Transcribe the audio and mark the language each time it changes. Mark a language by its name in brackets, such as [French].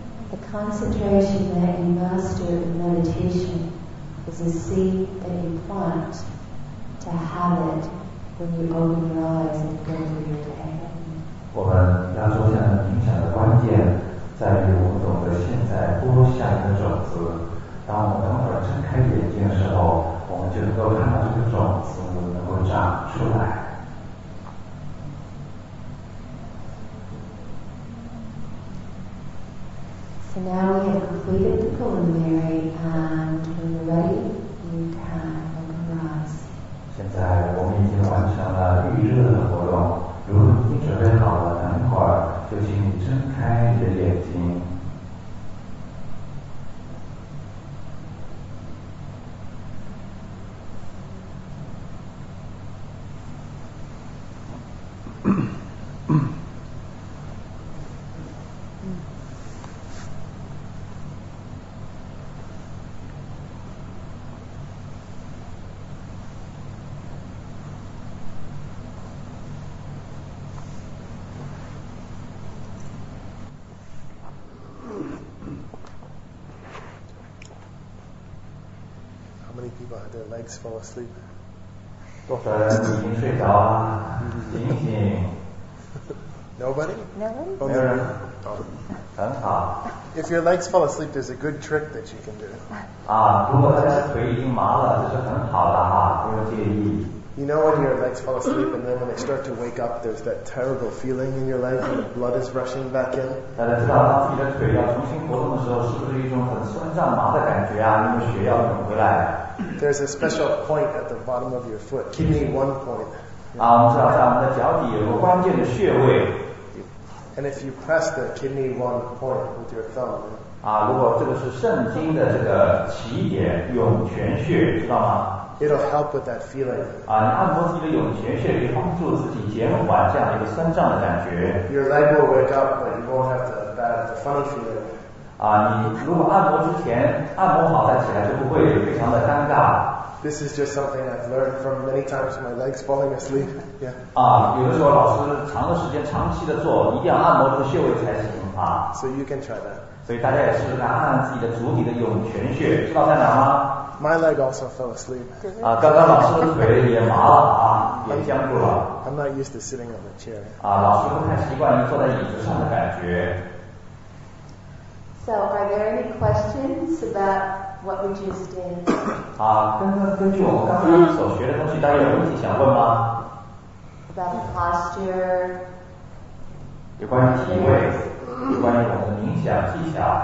[English] The concentration that you master in meditation is a seed that you plant to have it when you open your eyes and go through your day. [Chinese] 我们要做这样的冥想的关键在于我们懂得现在播下一个种子，当我们等会儿睁开眼睛的时候，我们就能够看到这个种子能够长出来。 [English] So now we have completed the preliminary, and when you're ready, you can open your eyes. [Chinese] 现在我们已经完成了预热的活动，如果你准备好了，等会儿就请你睁开你的眼睛。 [English] Their legs fall asleep. [Chinese] 多少人已经睡着了？醒醒。 [English] Nobody? Nobody? No one? No one? [Chinese] 很好。 [English] If your legs fall asleep, there's a good trick that you can do. [Chinese] 啊，如果大家腿已经麻了，这是很好的哈，不用介意。 [English] You know when your legs fall asleep and then when they start to wake up, there's that terrible feeling in your leg and the blood is rushing back in? [Chinese] 大家知道当自己的腿要重新活动的时候是不是一种很酸胀麻的感觉啊，那么血要涌回来。 [English] There's a special point at the bottom of your foot. Kidney one point. [Chinese] 啊，我们知道在我们的脚底有个关键的穴位。 [English] And if you press the kidney one point with your thumb. [Chinese] 啊，如果这个是肾经的这个起点涌泉穴，知道吗？ [English] It'll help with that feeling. [Chinese] 啊，你按摩自己的涌泉穴，可以帮助自己减缓这样一个酸胀的感觉。 [English] Your leg will wake up, but you won't have the bad, the funny feeling. [Chinese] 啊，你如果按摩之前按摩好再起来，就不会非常的尴尬。 [English] This is just something I've learned from many times my legs falling asleep. Yeah. [Chinese] 啊，有的时候老师长的时间长期的做，一定要按摩这个穴位才行啊。 [English] So you can try that. [Chinese] 所以大家也试试看按自己的足底的涌泉穴，知道在哪吗？ [English] My leg also fell asleep. [Chinese] 啊，刚刚老师的腿也麻了啊，也僵住了。 [English] I'm not used to sitting on the chair. [Chinese] 啊，老师不太习惯于坐在椅子上的感觉。 [English] So, are there any questions about what we just did? [Chinese] 啊，根据我们刚刚所学的东西，大家有问题想问吗 [English] ？About the posture. [Chinese] 有关于体位，有关于我们的冥想技巧。